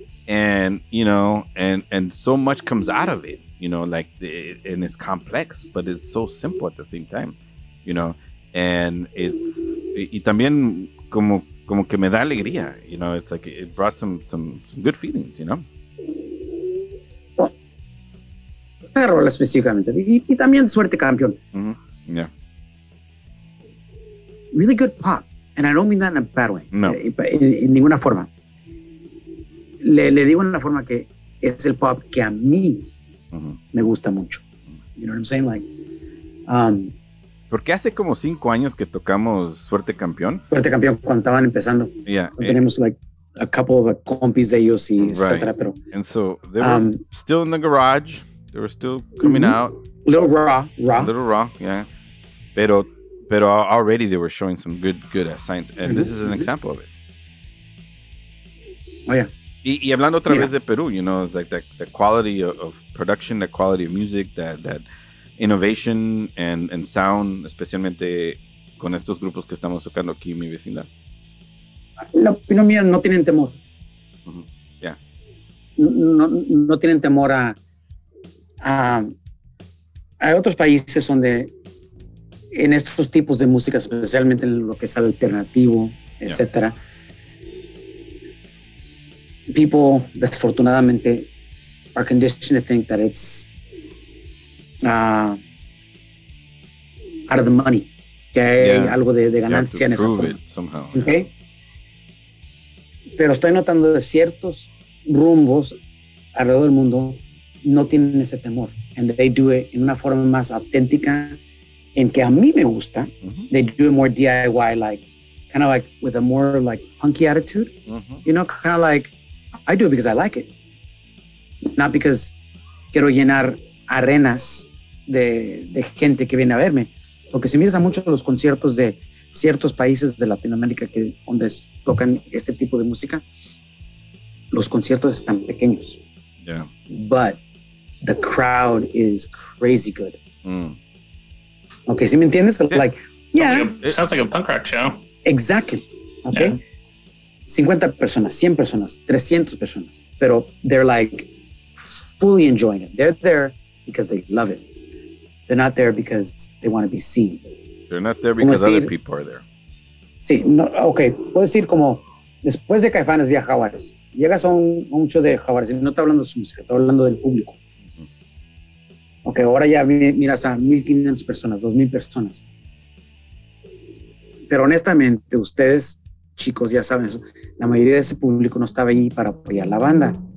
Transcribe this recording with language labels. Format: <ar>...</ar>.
<en>And, you know, and so much comes out of it, you know, like, and it's complex, but it's so simple at the same time, you know, and it's,</en> <es>y también como que me da alegría,</es> <en>you know, it's like, it brought some good feelings, you know.</en> <es>Ferro, específicamente, y también Suerte Campeón.</es> <en>Mm-hmm. Yeah. Really good pop, and I don't mean that in a bad way.</en> <es>No. En ninguna forma. Le digo en la forma que es el pop que a mí me gusta mucho.</es> <en>You know what I'm saying? Like,</en> <es>porque hace como 5 años que tocamos Suerte Campeón. Suerte Campeón, cuando estaban empezando.</es> <en>Yeah.</en> <es>Tenemos</es> <en>like a couple of</en> <es>compis de ellos y right. etcétera. Pero,</es> <en>and so they were still in the garage. They were still coming out. Little raw, yeah. Pero already they were showing some good signs. And this is an example of it. Oh, yeah.</en> <es>Y hablando otra vez de Perú,</es> <en>you know, it's like the quality of production, the quality of music, that innovation and sound,</en> <es>especialmente con estos grupos que estamos tocando aquí en mi vecindad. La opinión mía, no tienen temor.</es> <en>Uh-huh. Yeah.</en> <es>No tienen temor a otros países donde en estos tipos de música, especialmente en lo que es alternativo, etcétera.</es> <en>Yeah. People, desafortunadamente, are conditioned to think that it's out of the money.</en> <es>Que hay algo de ganancia en esa forma.</es> <en>Somehow, okay.</en> <es>Pero estoy notando de ciertos rumbos alrededor del mundo no tienen ese temor.</es> <en>And they do it in</en> <es>una forma más auténtica en que a mí me gusta.</es> <en>Mm-hmm. They do it more DIY, like, kind of like with a more like punky attitude. Mm-hmm. You know, kind of like I do it because I like it. Not because</en> <es>quiero llenar arenas de gente que viene a verme. Porque si miras a muchos de los conciertos de ciertos países de Latinoamérica que donde tocan este tipo de música, los conciertos están pequeños.</es> <en>Yeah. But the crowd is crazy good. Mm. Okay,</en> <es>¿sí me entiendes?</es> <en>Yeah. Like, yeah. It sounds like a punk rock show. Exactly. Okay. Yeah.</en> <es>50 personas, 100 personas, 300 personas, pero</es> <en>they're like fully enjoying it. They're there because they love it. They're not there because they want to be seen. They're not there because other people are there.</en> <es>Sí, no, okay. Puedo decir como después de Caifanes via Jaguares, llegas a un show de Jaguares y no estoy hablando de su música, estoy hablando del público. Mm-hmm. Okay, ahora ya miras a 1,500 personas, 2,000 personas. Pero honestamente, ustedes chicos, ya saben, la mayoría de ese público no estaba ahí para apoyar la banda.</es>